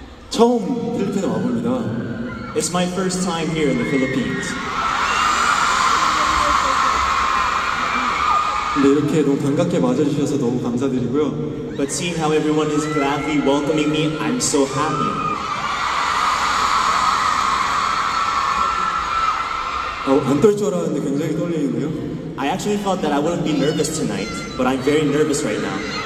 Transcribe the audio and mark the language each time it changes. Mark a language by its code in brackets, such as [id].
[ko] 처음 필리핀에 와봅니다. [en] It's my first time here in the Philippines. [ko] 네, 이렇게 너무 반갑게 맞아주셔서 너무 감사드리고요. [en] But seeing how everyone is gladly welcoming me, I'm so happy. [ko] 안 떨 줄 알았는데 굉장히 떨리는데요? [en] I actually thought that I wouldn't be nervous tonight, but I'm very nervous right now.